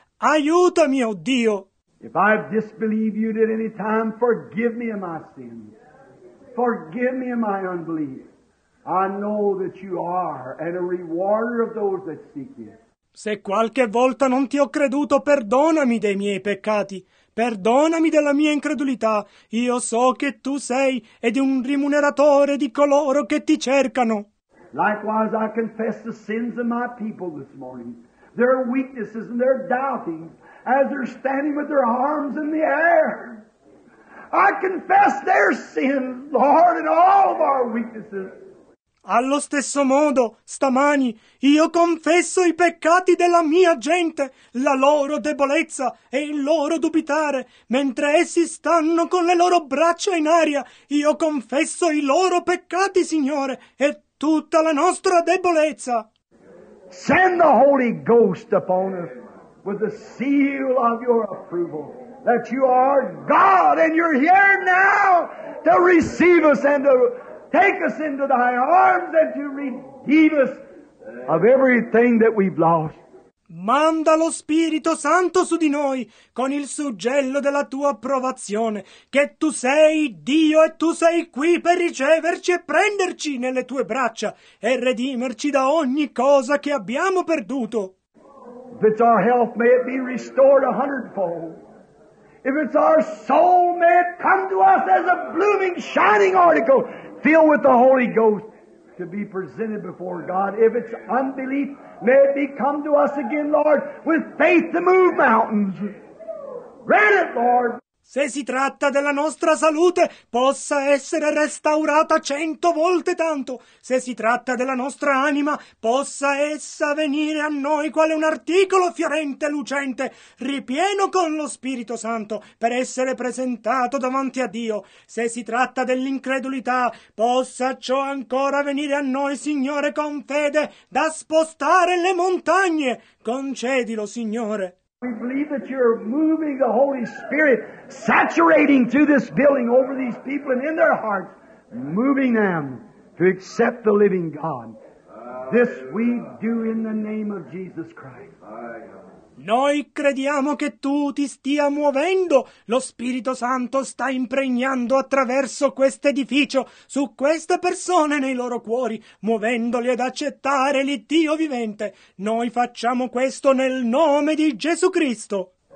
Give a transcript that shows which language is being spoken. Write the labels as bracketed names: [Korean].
[Italian] Aiutami, oh Dio! [English] If I've disbelieved you at any time, forgive me of my sin. Forgive me of my unbelief. I know that you are and a rewarder of those that seek you. [Italian] Se qualche volta non ti ho creduto, perdonami dei miei peccati. Perdonami della mia incredulità. Io so che tu sei ed un rimuneratore di coloro che ti cercano. [English] Likewise, I confess the sins of my people this morning, their weaknesses and their doubting, as they're standing with their arms in the air. I confess their sins, Lord, and all of our weaknesses. [Italian] Allo stesso modo, stamani, io confesso i peccati della mia gente, la loro debolezza e il loro dubitare, mentre essi stanno con le loro braccia in aria. Io confesso i loro peccati, Signore, e tutta la nostra debolezza. [English] Send the Holy Ghost upon us with the seal of your approval, that you are God and you're here now to receive us and to take us into thy arms and to redeem us of everything that we've lost. [Italian] Manda lo Spirito Santo su di noi con il suggello della tua approvazione, che tu sei Dio e tu sei qui per riceverci e prenderci nelle tue braccia e redimerci da ogni cosa che abbiamo perduto. [English] If it's our health, may it be restored a hundredfold. If it's our soul, may it come to us as a blooming, shining article, filled with the Holy Ghost, to be presented before God. If it's unbelief, may it be come to us again, Lord, with faith to move mountains. Grant it, Lord. [Italian] Se si tratta della nostra salute, possa essere restaurata 100 volte tanto. Se si tratta della nostra anima, possa essa venire a noi quale un articolo fiorente, lucente, ripieno con lo Spirito Santo, per essere presentato davanti a Dio. Se si tratta dell'incredulità, possa ciò ancora venire a noi, Signore, con fede, da spostare le montagne. Concedilo, Signore. [English] We believe that you're moving the Holy Spirit, saturating through this building over these people and in their hearts, moving them to accept the living God. This we do in the name of Jesus Christ. [Italian] Noi crediamo che tu ti stia muovendo, lo Spirito Santo sta impregnando attraverso questo edificio su queste persone nei loro cuori, muovendoli ad accettare il Dio vivente. Noi facciamo questo nel nome di Gesù Cristo.